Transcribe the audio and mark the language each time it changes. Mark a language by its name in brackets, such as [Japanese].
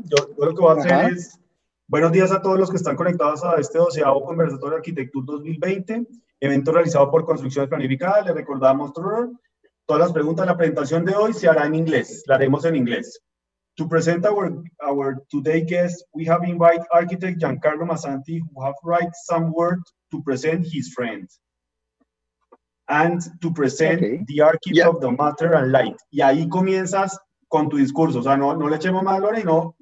[Spanish] Yo lo que voy a hacer es buenos días a todos los que están conectados a este 12º conversatorio de Arquitectur 2020, evento realizado por Construcciones Planificadas. Le recordamos todas las preguntas de la presentación de hoy se hará en inglés. La haremos en inglés. [English] To present our today guest, we have invited architect Giancarlo Massanti, who have written some words to present his friend. And to present the archive of the matter and light. [Spanish] Y ahí comienzas con tu discurso. O sea, no le echemos más, Lore, no.